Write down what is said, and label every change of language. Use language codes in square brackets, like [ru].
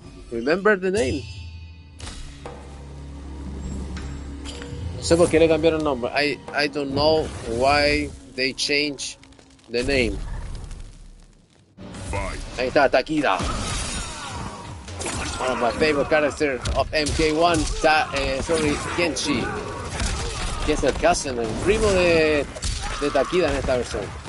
[en] Remember name? [es] No sé por qué le cambiaron el nombre. [en] I don't know why they change the name. [es] Ahí está, Takeda. [en] One of my favorite characters of MK1, [es] Kenshi, que es el cousin, el primo de Takeda en esta versión.